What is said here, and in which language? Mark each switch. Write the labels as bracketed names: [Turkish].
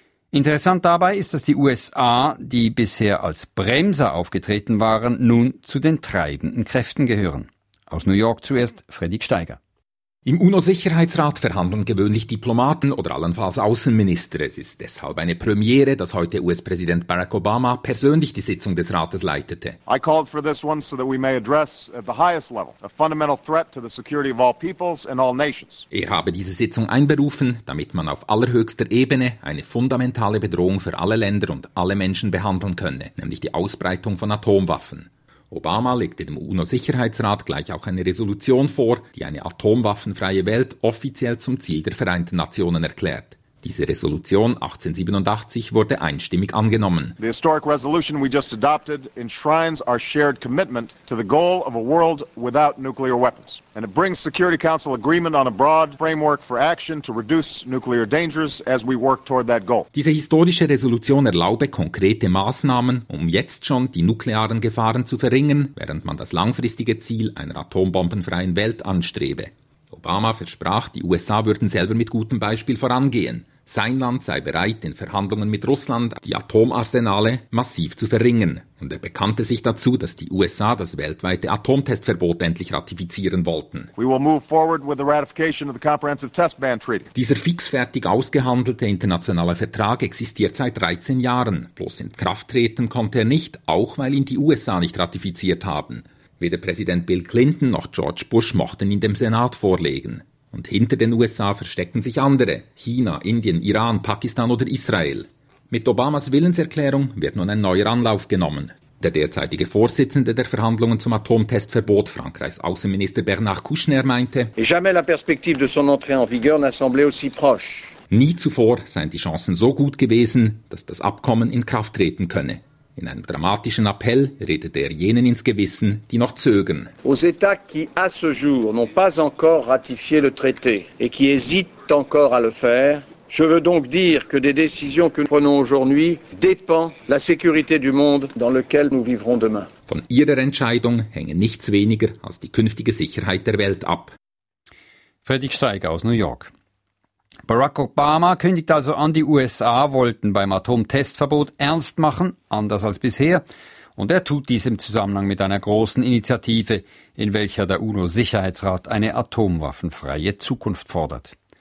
[German] Interessant dabei ist, dass die USA, die bisher als Bremser aufgetreten waren, nun zu den treibenden Kräften gehören. Aus New York zuerst Fredrik Steiger. Im UNO-Sicherheitsrat verhandeln gewöhnlich Diplomaten oder allenfalls Außenminister. Es ist deshalb eine Premiere, dass heute US-Präsident Barack Obama persönlich die Sitzung des Rates leitete. [English] I called for this one so that we may address at the highest level a fundamental threat to the security of all peoples and all nations. [German] Er habe diese Sitzung einberufen, damit man auf allerhöchster Ebene eine fundamentale Bedrohung für alle Länder und alle Menschen behandeln könne, nämlich die Ausbreitung von Atomwaffen. Obama legte dem UNO-Sicherheitsrat gleich auch eine Resolution vor, die eine atomwaffenfreie Welt offiziell zum Ziel der Vereinten Nationen erklärt. Diese Resolution 1887 wurde einstimmig angenommen. [English] The historic resolution we just adopted enshrines our shared commitment to the goal of a world without nuclear weapons. And it brings Security Council agreement on a broad framework for action to reduce nuclear dangers as we work toward that goal. [German] Diese historische Resolution erlaube konkrete Maßnahmen, um jetzt schon die nuklearen Gefahren zu verringern, während man das langfristige Ziel einer atombombenfreien Welt anstrebe. Obama versprach, die USA würden selber mit gutem Beispiel vorangehen. Sein Land sei bereit, in Verhandlungen mit Russland die Atomarsenale massiv zu verringern. Und er bekannte sich dazu, dass die USA das weltweite Atomtestverbot endlich ratifizieren wollten. [English] We will move forward with the ratification of the Comprehensive Test Ban Treaty. [German] Dieser fixfertig ausgehandelte internationale Vertrag existiert seit 13 Jahren. Bloß in Kraft treten konnte er nicht, auch weil ihn die USA nicht ratifiziert haben. Weder Präsident Bill Clinton noch George Bush mochten ihn dem Senat vorlegen. Und hinter den USA versteckten sich andere: China, Indien, Iran, Pakistan oder Israel. Mit Obamas Willenserklärung wird nun ein neuer Anlauf genommen. Der derzeitige Vorsitzende der Verhandlungen zum Atomtestverbot, Frankreichs Außenminister Bernard Kouchner, meinte: [French] Et jamais la perspective de son entrée en vigueur n'a semblé aussi proche. [German] Nie zuvor seien die Chancen so gut gewesen, dass das Abkommen in Kraft treten könne. In einem dramatischen Appell redete er jenen ins Gewissen, die noch zögern. [French] Aux États qui à ce jour n'ont pas encore ratifié le traité et qui hésitent encore à le faire, je veux donc dire que des décisions que nous prenons aujourd'hui dépend la sécurité du monde dans lequel nous vivrons demain. [German] Von ihrer Entscheidung hängen nichts weniger als die künftige Sicherheit der Welt ab. Fredrik Steiger aus New York. Barack Obama kündigt also an, die USA wollten beim Atomtestverbot ernst machen, anders als bisher. Und er tut dies im Zusammenhang mit einer großen Initiative, in welcher der UNO-Sicherheitsrat eine atomwaffenfreie Zukunft fordert.